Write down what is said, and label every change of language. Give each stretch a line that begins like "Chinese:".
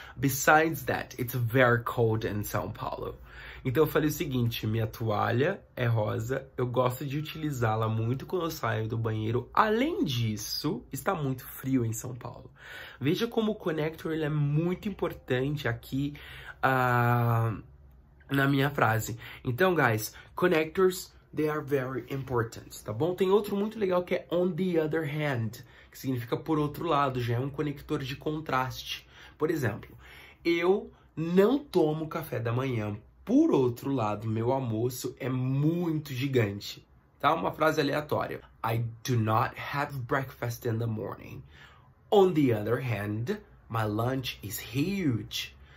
English: Besides that, it's very cold in São Paulo.
Portuguese: Então, eu falei o seguinte: minha toalha é rosa, eu gosto de utilizá-la muito quando eu saio do banheiro. Além disso, está muito frio em São Paulo. Veja como o connector ele é muito importante aqui na minha frase.
English: Então, guys, connectors. They are very important,
Portuguese: tá bom? Tem outro muito legal que é
English: on the other hand,
Portuguese: que significa por outro lado, já é um conector de contraste. Por exemplo, eu não tomo café da manhã. Por outro lado, meu almoço é muito gigante. Tá? Uma frase aleatória.
English: I do not have breakfast in the morning. On the other hand, my lunch is huge.